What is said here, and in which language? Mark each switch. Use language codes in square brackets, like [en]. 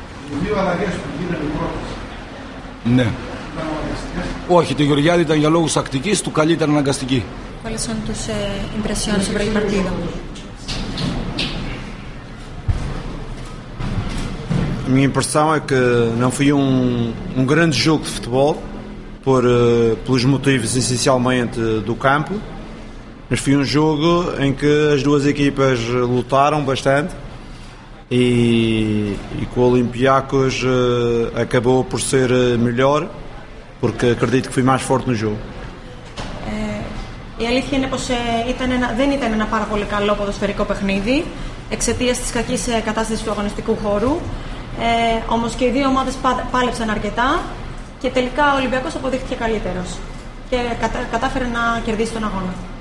[el] Οι δύο αλλαγές που γίνανε πρώτες. Ναι. Όχι, το Γεωργιάδη ήταν για λόγους τακτικής, του καλή ήταν αναγκαστική. Πολλές ήταν τους impressions στην πρώτη παρτίδα. [pt] A minha impressão é que não foi um grande jogo de futebol, pelos motivos essencialmente do campo, mas foi um jogo em que as duas equipas lutaram bastante e com o Olympiacos acabou por ser melhor, porque acredito que fui mais forte no jogo. [el] Η αλήθεια είναι πως δεν ήταν ένα πάρα πολύ καλό ποδοσφαιρικό παιχνίδι εξαιτίας της κακής κατάστασης του αγωνιστικού χώρου. Όμως και οι δύο ομάδες πάλεψαν αρκετά και τελικά ο Ολυμπιακός αποδείχθηκε καλύτερος και κατάφερε να κερδίσει τον αγώνα.